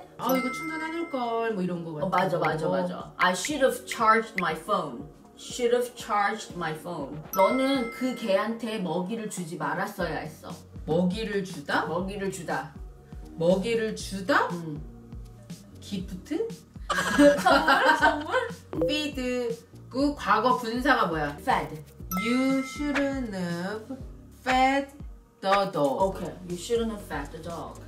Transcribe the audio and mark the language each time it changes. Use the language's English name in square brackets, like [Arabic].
[Korean] 이거 충전해놓을걸 뭐 이런 거 같아. 맞아. [English] I should have charged my phone. Should have charged my phone. [Korean] 너는 그 개한테 먹이를 주지 말았어야 했어. 먹이를 주다? 먹이를 주다. 먹이를 주다? 기프트? 선물? 선물? feed 그 과거 분사가 뭐야? [English] fed you shouldn't have fed the dog. okay. you shouldn't have fed the dog.